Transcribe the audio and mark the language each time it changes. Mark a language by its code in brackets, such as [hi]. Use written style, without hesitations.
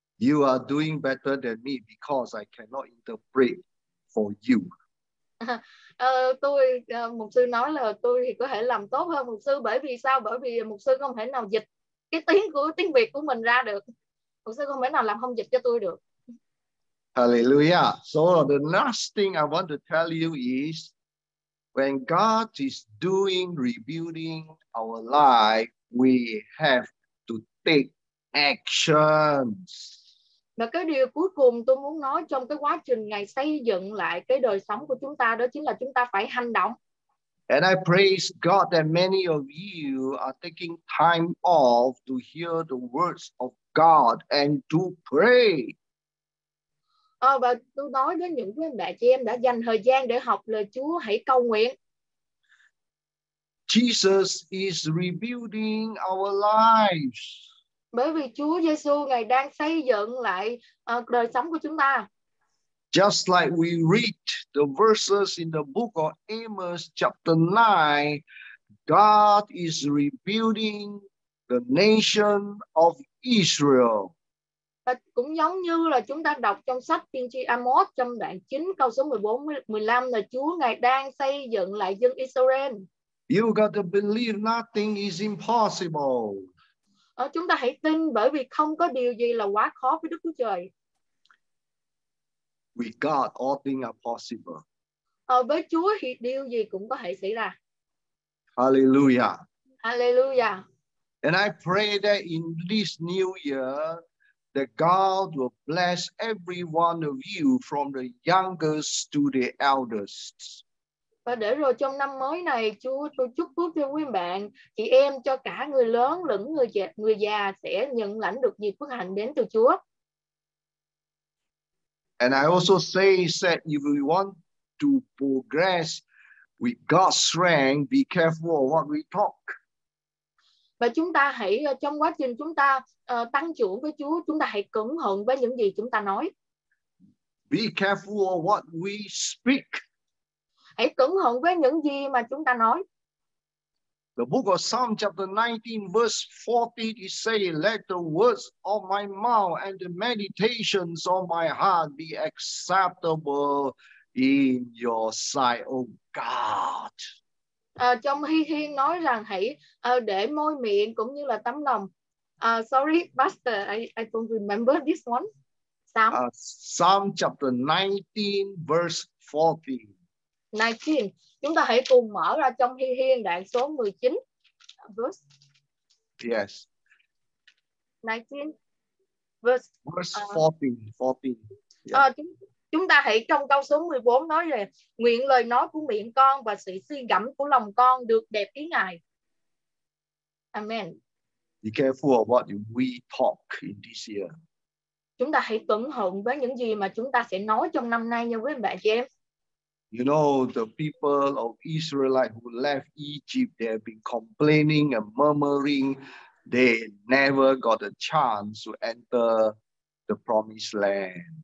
[en] You are doing better than me because I cannot interpret for you. [vi] Mục sư nói là tôi thì có thể làm tốt hơn mục sư. Bởi vì sao? Bởi vì mục sư không thể nào dịch cái tiếng Việt của mình ra được. Mục sư không thể nào làm không dịch cho tôi được. [en] Hallelujah. So the last thing I want to tell you is when God is doing rebuilding our life, we have to take actions. [vi] Và cái điều cuối cùng tôi muốn nói trong cái quá trình Ngài xây dựng lại cái đời sống của chúng ta đó chính là chúng ta phải hành động. [en] And I praise God that many of you are taking time off to hear the words of God and to pray. [vi] Và tôi nói với những quý bà chị em đã dành thời gian để học lời Chúa, hãy cầu nguyện. [en] Jesus is rebuilding our lives. [vi] Bởi vì Chúa Giêsu Ngài đang xây dựng lại đời sống của chúng ta. [en] Just like we read the verses in the book of Amos chapter 9, God is rebuilding the nation of Israel. [vi] Và cũng giống như là chúng ta đọc trong sách tiên tri Amos trong đoạn 9 câu số 14 15 là Chúa Ngài đang xây dựng lại dân Israel. [en] You got to believe nothing is impossible. [vi] Chúng ta hãy tin bởi vì không có điều gì là quá khó với Đức Chúa Trời. [en] With God, all things are possible. [vi] Với Chúa thì điều gì cũng có thể xảy ra. [en] Hallelujah. Hallelujah. And I pray that in this new year, that God will bless every one of you from the youngest to the eldest. [vi] Và để rồi trong năm mới này, Chúa, tôi chúc phước cho quý bạn, chị em, cho cả người lớn lẫn người già sẽ nhận lãnh được nhiều phước hạnh đến từ Chúa. [en] And I also say that if we want to progress with God's strength, be careful of what we talk. [vi] Và chúng ta hãy trong quá trình chúng ta tăng trưởng với Chúa, chúng ta hãy cẩn thận với những gì chúng ta nói. [en] Be careful of what we speak. [vi] Hãy cẩn thận với những gì mà chúng ta nói. [en] The book of Psalm chapter 19 verse 40 it say, let the words of my mouth and the meditations of my heart be acceptable in your sight, O God. [vi] Trong Hy Thiên nói rằng hãy để môi miệng cũng như là tấm lòng. [en] Sorry, Pastor, I don't remember this one. Psalm. Psalm chapter 19 verse 40. 19. [vi] Chúng ta hãy cùng mở ra trong Hy Thiên đoạn số 19. [en] Verse. Yes. 19. Verse 14. Yeah. [vi] Chúng ta hãy trong câu số 14 nói về nguyện lời nói của miệng con và sự suy gẫm của lòng con được đẹp ý Ngài. [en] Amen. Be careful of what we talk in this year. [vi] Chúng ta hãy cẩn thận với những gì mà chúng ta sẽ nói trong năm nay nha quý bạn chị em. [en] You know, the people of Israelite who left Egypt, they have been complaining and murmuring. They never got a chance to enter the promised land.